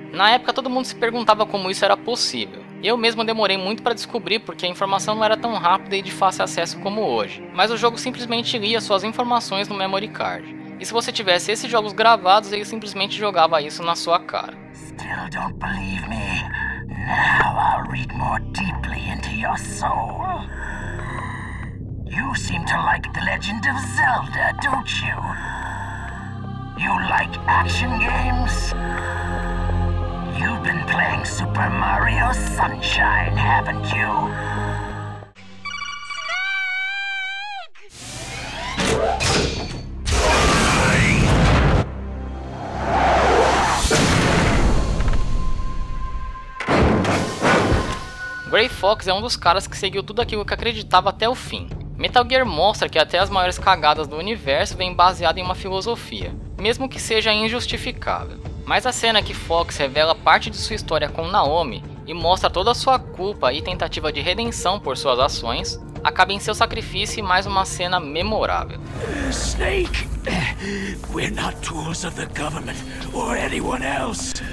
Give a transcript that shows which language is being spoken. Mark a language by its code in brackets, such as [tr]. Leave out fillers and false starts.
[pt] Na época todo mundo se perguntava como isso era possível. Eu mesmo demorei muito para descobrir porque a informação não era tão rápida e de fácil acesso como hoje. Mas o jogo simplesmente lia suas informações no memory card. E se você tivesse esses jogos gravados, ele simplesmente jogava isso na sua cara. [en] Still don't believe me. Now I'll read more deeply into your soul. You seem to like The Legend of Zelda, don't you? You like action games? You've been playing Super Mario Sunshine, haven't you? [pt] Gray Fox é um dos caras que seguiu tudo aquilo que acreditava até o fim. Metal Gear mostra que até as maiores cagadas do universo vêm baseadas em uma filosofia, mesmo que seja injustificável. Mas a cena que Fox revela parte de sua história com Naomi e mostra toda a sua culpa e tentativa de redenção por suas ações, acaba em seu sacrifício e mais uma cena memorável. [en] Snake! We're not tools of the government or anyone else.